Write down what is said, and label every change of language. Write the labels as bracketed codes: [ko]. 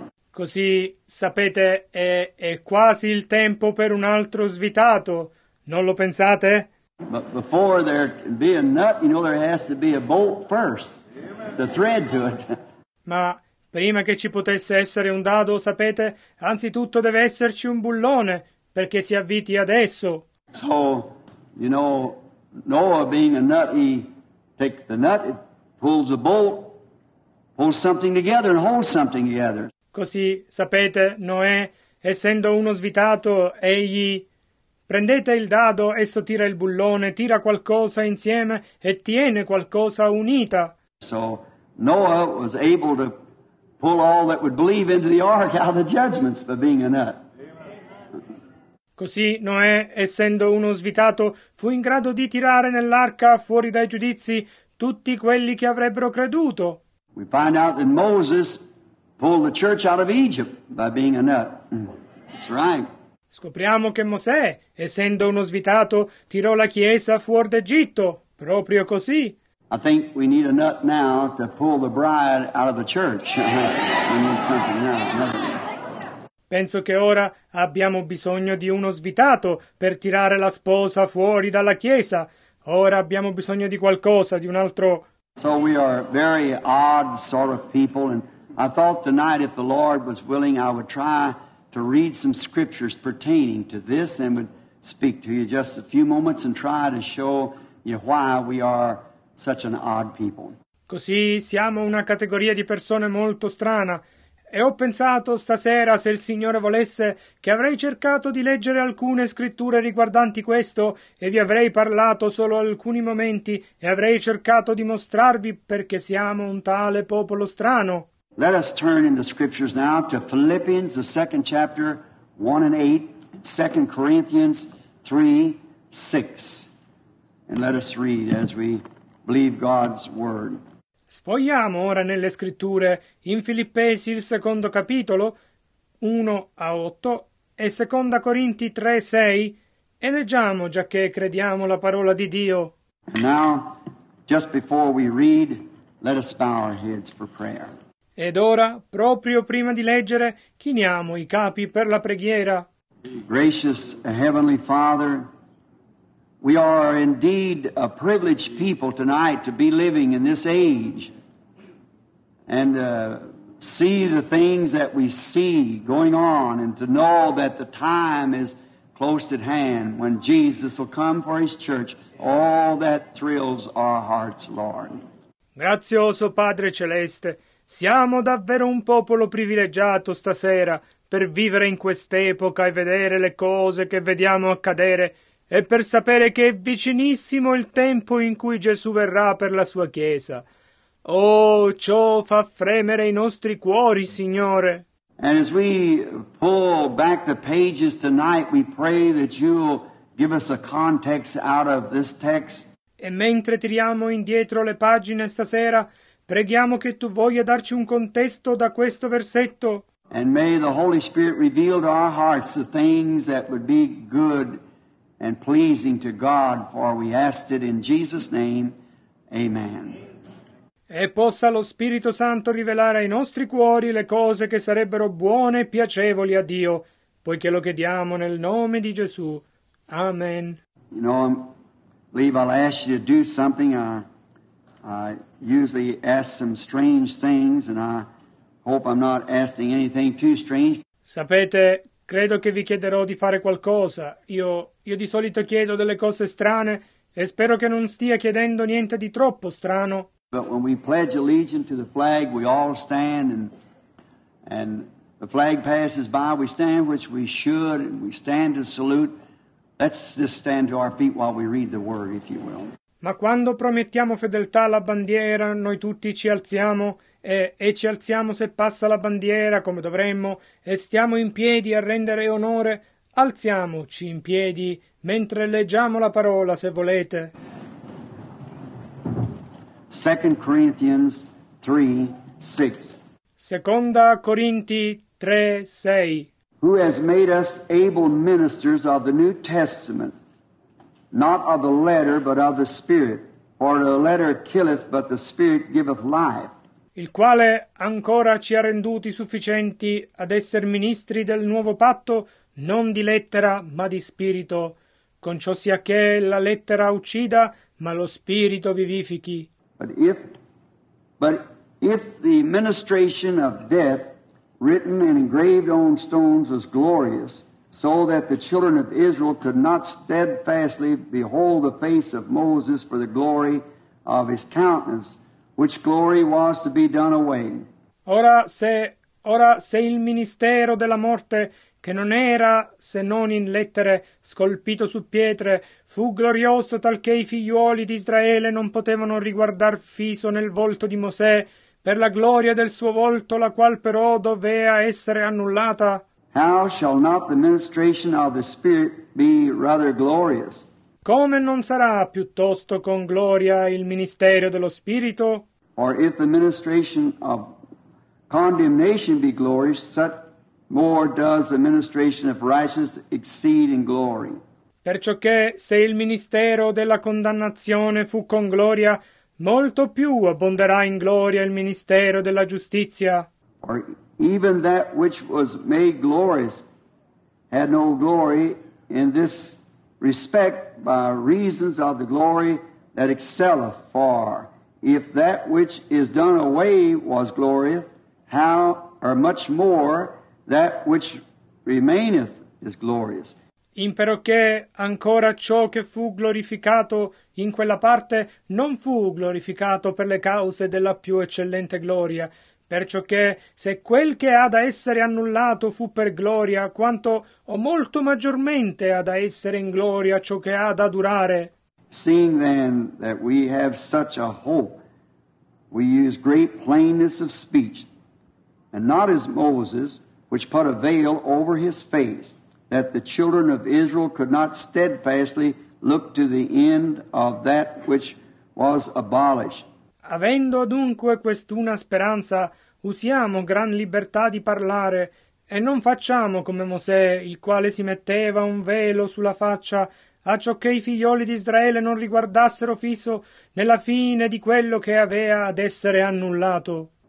[it] Così, sapete, è quasi il tempo per un altro svitato, non lo pensate? [en] But before there can be a nut, you know, there has to be a bolt first, the thread to it. [it] Ma prima che ci potesse essere un dado, sapete, anzitutto deve esserci un bullone, perché si avviti adesso. [en] So, you know, Noah being a nut, he takes the nut, it pulls a bolt, pulls something together and holds something together. [it] Così, sapete, Noè, essendo uno svitato, egli prendete il dado, esso tira il bullone, tira qualcosa insieme e tiene qualcosa unita. [en] So, Noah was able to pull all that would believe into the ark out of the judgments for being a nut. [it] Così Noè, essendo uno svitato, fu in grado di tirare nell'arca fuori dai giudizi tutti quelli che avrebbero creduto. [en] We find out that Moses pulled the church out of Egypt by being a nut. That's right. [it] Scopriamo che Mosè, essendo uno svitato, tirò la chiesa fuori d'Egitto. Proprio così. [en] I think we need a nut now to pull the bride out of the church. We need something now. [it] Penso che ora abbiamo bisogno di uno svitato per tirare la sposa fuori dalla chiesa. Ora abbiamo bisogno di qualcosa, di un altro. [en] So we are very odd sort of people, and I thought tonight, if the Lord was willing, I would try to read some scriptures pertaining to this and would speak to you just a few moments and try to show you why we are such an odd people. [it] Così siamo una categoria di persone molto strana. E ho pensato stasera, se il Signore volesse, che avrei cercato di leggere alcune scritture riguardanti questo e vi avrei parlato solo alcuni momenti e avrei cercato di mostrarvi perché siamo un tale popolo strano. [en] Let us turn in the scriptures now to Philippians, the second chapter, 1 and 8, 2 Corinthians 3:6. And let us read as we believe God's word. [it] Sfogliamo ora nelle scritture in Filippesi il secondo capitolo 1-8 e 2 Corinti 3:6 e leggiamo giacché crediamo la parola di Dio. [en] And now, just before we read, let us bow our heads for prayer. [it] Ed ora, proprio prima di leggere, chiniamo i capi per la preghiera. [en] Gracious Heavenly Father, we are indeed a privileged people tonight to be living in this age and see the things that we see going on and to know that the time is close at hand when Jesus will come for His church. All that thrills our hearts, Lord. [it] Grazioso Padre Celeste, siamo davvero un popolo privilegiato stasera per vivere in quest'epoca e vedere le cose che vediamo accadere e per sapere che è vicinissimo il tempo in cui Gesù verrà per la sua Chiesa. Oh, ciò fa fremere i nostri cuori, Signore. [en] And as we pull back the pages tonight, we pray that you'll give us a context out of this text. [it] E mentre tiriamo indietro le pagine stasera, preghiamo che tu voglia darci un contesto da questo versetto. [en] And may the Holy Spirit reveal to our hearts the things that would be good and pleasing to God, for we ask it in Jesus' name. Amen. [it] E possa lo Spirito Santo rivelare ai nostri cuori le cose che sarebbero buone e piacevoli a Dio, poiché lo chiediamo nel nome di Gesù. Amen. [en] You know, Lee, I'll ask you to do something. I usually ask some strange things, and I hope I'm not asking anything too strange. [it] Sapete, credo che vi chiederò di fare qualcosa. Io di solito chiedo delle cose strane, e spero che non stia chiedendo niente di troppo strano. [en] But when we pledge allegiance to the flag, we all stand, and the flag passes by, we stand, which we should, and we stand to salute. Let's just stand to our feet while we read the word, if you will. [it] Ma quando promettiamo fedeltà alla bandiera, noi tutti ci alziamo e ci alziamo se passa la bandiera, come dovremmo, e stiamo in piedi a rendere onore, alziamoci in piedi mentre leggiamo la parola, se volete. [en] 2 Corinthians 3:6. [it] 2 Corinti 3:6. [en] Who has made us able ministers of the New Testament, not of the letter, but of the Spirit? For the letter killeth, but the Spirit giveth life. [it] Il quale ancora ci ha renduti sufficienti ad essere ministri del nuovo patto, non di lettera, ma di spirito. Con ciò sia che la lettera uccida, ma lo spirito vivifichi. [en] But if the ministration of death, written and engraved on stones, is glorious, so that the children of Israel could not steadfastly behold the face of Moses for the glory of his countenance, which glory was to be done away. [it] Ora se il ministero della morte, che non era se non in lettere, scolpito su pietre, fu glorioso talché i figliuoli di Israele non potevano riguardar fiso nel volto di Mosè, per la gloria del suo volto, la qual però dovea essere annullata. [en] How shall not the ministration of the Spirit be rather glorious? [it] Come non sarà piuttosto con gloria il ministero dello Spirito? [en] Or if the ministration of condemnation be glorious, such more does the ministration of righteousness exceed in glory. [it] Perciò che se il ministero della condannazione fu con gloria, molto più abbonderà in gloria il ministero della giustizia. [en] Or even that which was made glorious had no glory in this respect by reasons of the glory that excelleth far. If that which is done away was glorious, how or much more that which remaineth is glorious. [it] Impero che ancora ciò che fu glorificato in quella parte non fu glorificato per le cause della più eccellente gloria. Perciò che se quel che ha da essere annullato fu per gloria, quanto o molto maggiormente ha da essere in gloria ciò che ha da durare. [en] Seeing then that we have such a hope, we use great plainness of speech, and not as Moses, which put a veil over his face, that the children of Israel could not steadfastly look to the end of that which was abolished. [it] Avendo dunque quest'una speranza, usiamo gran libertà di parlare, e non facciamo come Mosè, il quale si metteva un velo sulla faccia, a ciò che i figlioli di Israele non riguardassero fisso nella fine di quello che aveva ad essere annullato.